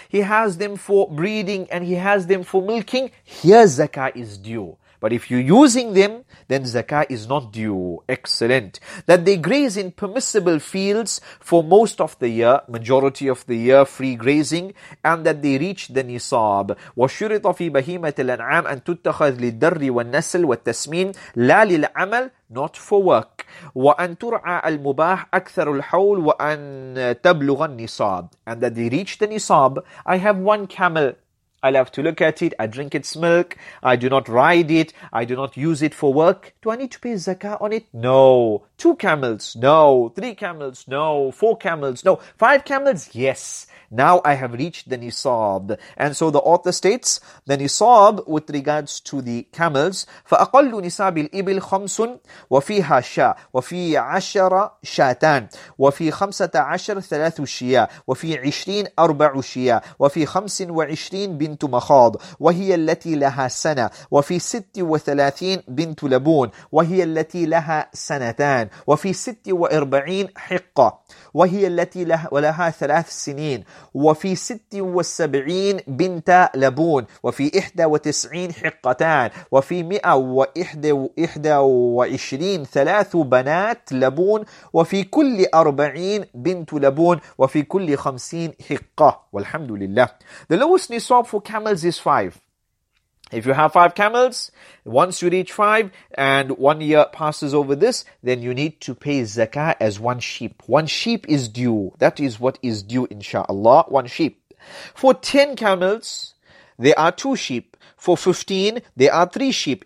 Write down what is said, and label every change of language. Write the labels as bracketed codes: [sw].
[en] He has them for breeding and he has them for milking. Here zakah is due. But if you're using them, then zakah is not due. Excellent. That they graze in permissible fields for most of the year, majority of the year, free grazing, and that they reach the nisab. [ar] وَشُرِطَ فِي بَهِيمَةِ الْأَنْعَامِ أَنْ تُتَّخَذْ لِلدَّرِّ وَالنَّسَلِ وَالتَّسْمِينِ لَا لِلْعَمَلِ, [en] not for work. [ar] وَأَنْ تُرْعَى الْمُبَاحِ أَكْثَرُ الْحَوْلِ وَأَنْ تَبْلُغَ النِّصَابِ. [en] And that they reach the nisab. I have one camel. I love to look at it, I drink its milk, I do not ride it, I do not use it for work. Do I need to pay zakah on it? No. Two camels? No. Three camels? No. Four camels? No. Five camels? Yes. Now I have reached the nisab. And so the author states, the nisab with regards to the camels, [ar] فَأَقَلُّ نِسَابِ الْإِبِلِ خَمْسٌ وَفِيهَا شَا وَفِي عَشَرَ شَاتَان وَفِي خَمْسَةَ عَشَرَ ثَلَاثُ شِيَا وَفِي عِشْرِينَ أَرْبَعُ شِيَا وَفِي خَمْسٍ وَعِشْرِينَ بِنْتُ مَخَاضٍ وَهِيَ الَّتِي لَهَا سَنَةٌ وَفِي سِتِّ وَثَلَاثِينَ بِنْتُ لَبُونَ وَهِيَ الَّتِي لَهَا سَنَتَانِ وَفِي سِتِّ وَأَرْبَعِينَ حِقَّةٌ وهي التي لها ولها ثلاث سنين وفي ست وسبعين بنت لبون وفي إحدى وتسعين حقتان وفي مئة وإحدى وعشرين ثلاث بنات لبون وفي كل أربعين بنت لبون وفي كل خمسين حقة والحمد لله. [en] The lowest nisab for camels is 5. If you have 5 camels, once you reach 5 and 1 year passes over this, then you need to pay zakah as 1 sheep. 1 sheep is due. That is what is due, inshallah, 1 sheep. For 10 camels, there are 2 sheep. For 15, there are 3 sheep.